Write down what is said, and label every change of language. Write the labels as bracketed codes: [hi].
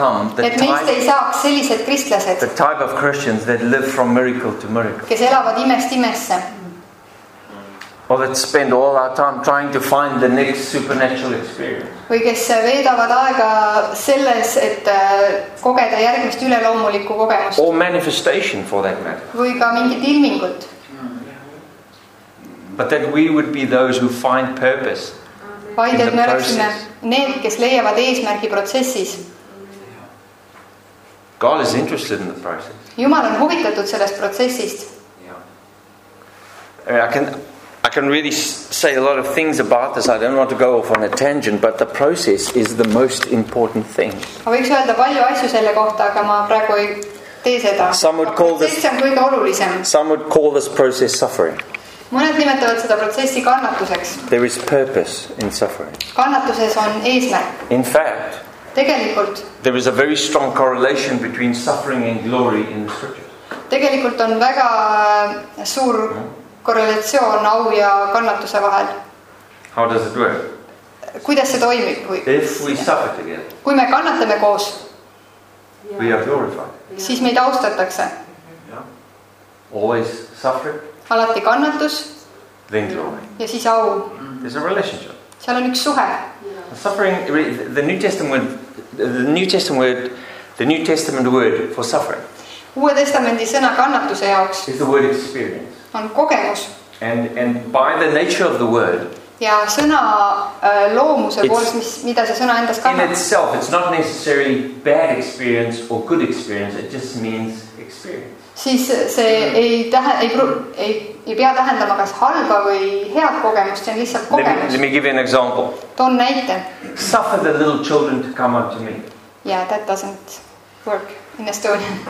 [en] The type of Christians that live from miracle to miracle. [et] Kes elavad imest imesse. [en] Or that spend all our time trying to find the next supernatural experience. [et] Või kes veedavad aega selles, et kogeda järgmist üleloomulikku kogemust. [en] Or manifestation for that matter. [et] Või ka mingit ilmingut. [en] But that we would be those who find purpose. [et] Vaid, et me oleksime need, kes leiavad eesmärgi protsessis. [en] God is interested in the process. [et] Jumal on huvitatud sellest protsessist. [en] I can really say a lot of things about this. I don't want to go off on a tangent, but the process is the most important thing. [et] Ma võiks öelda palju asju selle kohta, aga ma praegu ei tee seda. [en] Some would call this process suffering. [et] Mõned nimetavad seda protsessi kannatuseks. [en] There is purpose in suffering. [et] Kannatuses on eesmärk. [en] In fact, [et] tegelikult, [en] there is a very strong correlation between suffering and glory in the scriptures. [et] Tegelikult on väga suur korrelatsioon au ja kannatuse vahel. [en] How does it work? [et] Kuidas see toimib? [en] If we suffer together. [et] Kui me kannatame koos. [en] We are glorified. [et] Siis meid austatakse. [en] Yeah. Always suffering. [et] Alati kannatus. [en] Then glory. [et] Ja siis au. [en] There's a relationship. [et] Seal on üks suhe. [en] Yeah. Suffering, the New Testament word for suffering. [et] Uue testamendi sõna kannatuse jaoks. [en] Is the word experience. [et] On kogemus. [en] And by the nature of the word. [et] Ja sõna loomuse poolest, mida see sõna endas kannab. [en] In itself, it's not necessarily bad experience or good experience. It just means experience. [et] Siis see ei pea tähendama kas halba või head kogemust, see on lihtsalt kogemus. [en] Let me give you an example. [et] Toon näite. [en] Suffer the little children to come unto me. Yeah, that doesn't work in Estonia.